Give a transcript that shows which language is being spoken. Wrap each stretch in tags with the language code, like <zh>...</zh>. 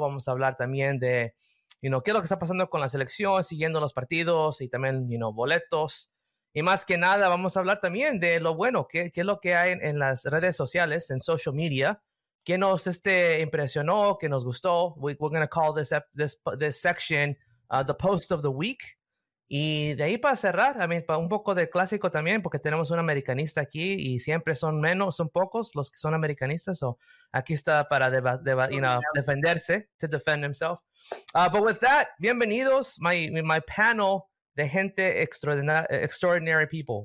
<es>Vamos a hablar también de qué es lo que está pasando con la selección, siguiendo los partidos y también, boletos. Y más que nada, vamos a hablar también de lo bueno, qué es lo que hay en las redes sociales, en</es> <en>social media,</en> <es>qué nos impresionó, qué nos gustó.</es> <en>We're going to call this section the post of the week.</en> <es>Y de ahí para cerrar, para un poco de clásico también, porque tenemos un americanista aquí y siempre son pocos los que son americanistas. So aquí está para defenderse,</es> <en>to defend himself. But with that, bienvenidos, my panel</en> <es>de gente</es> <en>extraordinary people.</en>